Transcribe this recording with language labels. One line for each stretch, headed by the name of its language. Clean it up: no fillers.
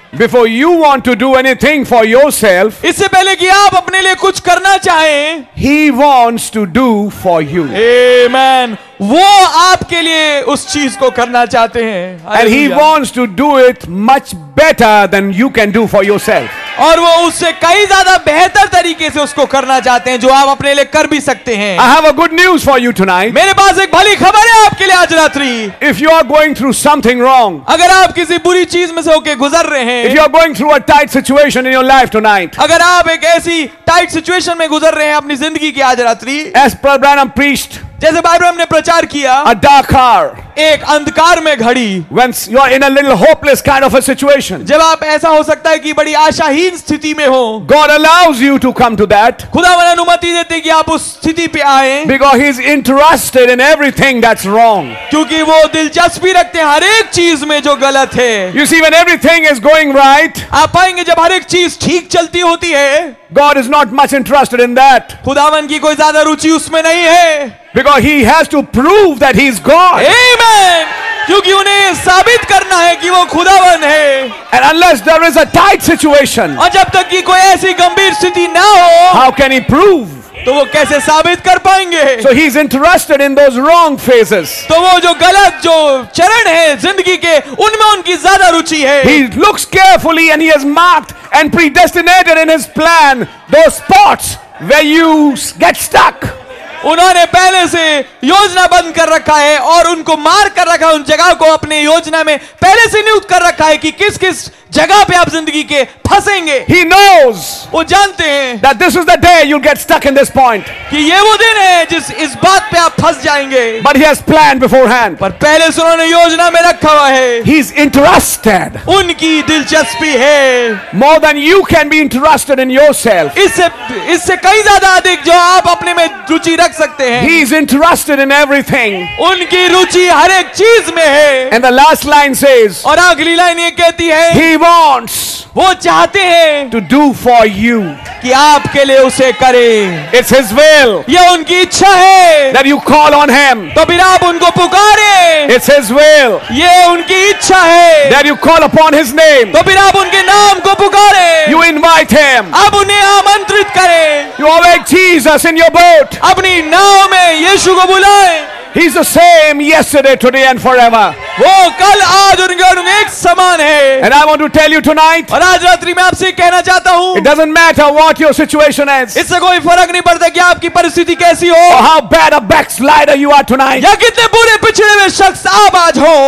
English: Before you want to do anything for yourself,
Hindi: इससे पहले कि आप अपने लिए कुछ करना चाहें,
English: He wants to do for you. Amen.
Hindi: वो आपके लिए उस चीज को करना चाहते हैं.
English: And He wants to do it much better than you can do for yourself.
Hindi: और वो उससे कई ज्यादा बेहतर तरीके से उसको करना चाहते हैं जो आप अपने लिए कर भी सकते हैं.
English: I have a good news for you tonight.
Hindi: मेरे पास एक भली खबर है आपके लिए आज रात्रि.
English: If you are going through something wrong,
Hindi: अगर आप किसी बुरी चीज में से होकर गुजर रहे हैं,
English: If you are going through a tight situation in your life tonight,
Hindi: अगर आप एक ऐसी टाइट सिचुएशन में गुजर रहे हैं अपनी जिंदगी की आज रात्रि,
English: As Brother Branham preached,
Hindi: जैसे बाइब्रम ने प्रचार किया,
English: a dark hour,
Hindi: एक अंधकार में घड़ी,
English: when you are in a little hopeless kind of a situation,
Hindi: जब आप ऐसा हो सकता है कि बड़ी आशाहीन स्थिति में हो,
English: God allows you to come to that,
Hindi: खुदा वाला अनुमति देते कि आप उस स्थिति पे आए,
English: because He is interested in everything that's wrong,
Hindi: क्योंकि वो दिलचस्पी रखते हैं हर एक चीज में जो गलत है,
English: you see when everything is going right,
Hindi: आप पाएंगे जब हर एक चीज ठीक चलती होती है,
English: God is not much interested in that.
Hindi: खुदावन की कोई ज्यादा रुचि उसमें नहीं है.
English: Because He has to prove that He is God. Amen.
Hindi: क्योंकि उन्हें साबित करना है कि वो खुदावन है.
English: And unless there is a tight situation,
Hindi: और जब तक कि कोई ऐसी गंभीर स्थिति ना हो,
English: how can He prove?
Hindi: तो वो कैसे साबित कर पाएंगे?
English: So he's interested in those wrong phases.
Hindi: तो वो जो गलत जो चरण है जिंदगी के उनमें उनकी ज्यादा रुचि है.
English: He looks carefully and he has marked and predestinated in his plan those spots where you get stuck.
Hindi: उन्होंने पहले से योजना बंद कर रखा है और उनको मार कर रखा है, उन जगह को अपने योजना में पहले से नियुक्त कर रखा है कि किस किस जगह पे आप जिंदगी के फंसेंगे.
English: He knows,
Hindi: वो जानते हैं,
English: that this is the day you'll get stuck in this point.
Hindi: कि ये वो दिन है जिस इस बात पे आप फंस जाएंगे.
English: But he has planned beforehand.
Hindi: पर पहले से उन्होंने योजना में रखा हुआ है.
English: He's interested.
Hindi: उनकी दिलचस्पी है.
English: More than you can be interested in yourself.
Hindi: इससे कहीं ज्यादा अधिक जो आप अपने में रुचि रख सकते हैं.
English: He's interested in everything.
Hindi: उनकी रुचि हर एक चीज में है.
English: And the last line says,
Hindi: और अगली लाइन ये कहती है,
English: wants
Hindi: वो चाहते हैं
English: to do for you
Hindi: कि आपके लिए उसे करें.
English: It's his will
Hindi: ये उनकी इच्छा है
English: that you call on him
Hindi: तो फिर आप उनको पुकारे.
English: It's his will
Hindi: ये उनकी इच्छा है
English: that you call upon his name
Hindi: तो फिर आप उनके नाम को पुकारे.
English: You invite him
Hindi: आप उन्हें आमंत्रित करें.
English: You await Jesus in your boat
Hindi: अपनी नाव में यीशु को बुलाए.
English: He's the same yesterday, today, and forever.
Hindi: वो कल आज और कल एक समान है.
English: And I want to tell you tonight.
Hindi: और आज रात्रि मैं आपसे कहना चाहता हूँ.
English: It doesn't matter what your situation is.
Hindi: इससे कोई फर्क नहीं पड़ता कि आपकी परिस्थिति कैसी हो.
English: Or how bad a backslider you are tonight.
Hindi: या कितने बुरे पिछड़े हुए शख्स आप आज हो.